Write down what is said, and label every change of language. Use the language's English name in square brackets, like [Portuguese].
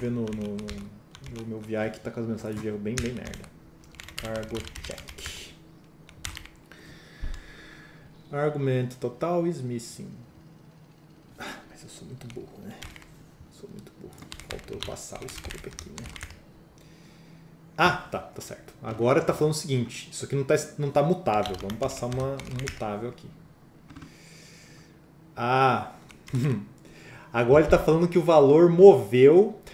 [Portuguese] Deixa eu ver no meu VI que está com as mensagens de erro bem, bem merda. [English] Cargo check. Argument total is missing. [Portuguese] Mas eu sou muito burro, né? Sou muito burro. Faltou eu passar o scope aqui, né? Ah, tá certo. Agora tá falando o seguinte: isso aqui não tá mutável. Vamos passar um mutável aqui. Ah, agora ele tá falando que o valor moveu.